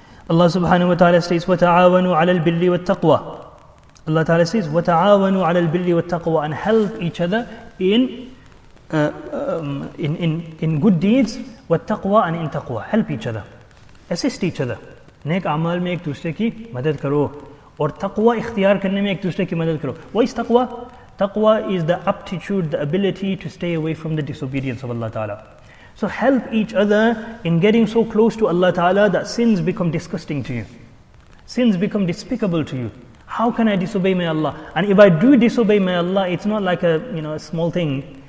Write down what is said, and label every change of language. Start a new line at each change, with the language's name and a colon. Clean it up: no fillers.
English: Allah subhanahu wa ta'ala says,
Arabic: وَتَعَاوَنُوا عَلَى الْبِرِّ وَالتَّقْوَى.
English: Allah ta'ala says,
Arabic: وَتَعَاوَنُوا عَلَى الْبِرِّ وَالتَّقْوَى,
English: and help each other in good deeds, وَالتَّقْوَى, and in taqwa. Help each other. Assist each other.
Urdu: نیک عمل میں ایک دوسرے کی مدد کرو۔ اور تقوی اختیار کرنے میں ایک دوسرے کی مدد کرو۔
English: What is taqwa? Taqwa is the aptitude, the ability to stay away from the disobedience of Allah Ta'ala. So help each other in getting so close to Allah Ta'ala that sins become disgusting to you. Sins become despicable to you. How can I disobey my Allah? And if I do disobey my Allah, it's not like a small thing.